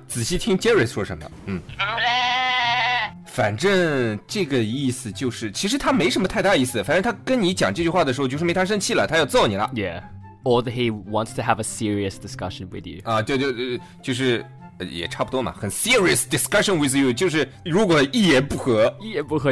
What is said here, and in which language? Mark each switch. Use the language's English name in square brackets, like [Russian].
[Chinese] 仔细听 Jerry 说什么。反正这个意思就是，其实他没什么太大意思。反正他跟你讲这句话的时候，就是没他生气了，他要揍你了。 [English] Yeah, or that he wants to have a serious discussion with you. [Chinese] 啊，对，就是。也差不多嘛很 [English] serious discussion with you [Chinese] 就是如果一言不合